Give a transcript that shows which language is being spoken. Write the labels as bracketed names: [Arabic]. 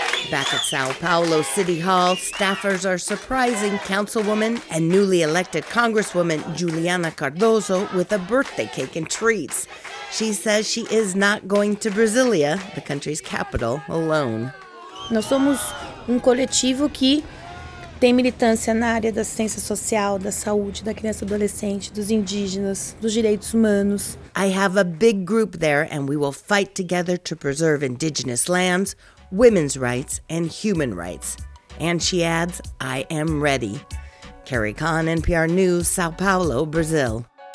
[English] Back at Sao Paulo City Hall, staffers are surprising councilwoman and newly elected congresswoman Juliana Cardoso with a birthday cake and treats. She says she is not going to Brasilia, the country's capital, alone. [Portuguese] Nós somos coletivo que tem militância na área da assistência social, da saúde, da criança e adolescente, dos indígenas, dos direitos humanos. [English] I have a big group there and we will fight together to preserve indigenous lands, women's rights, and human rights. And she adds, I am ready. Carrie Kahn, NPR News, Sao Paulo, Brazil.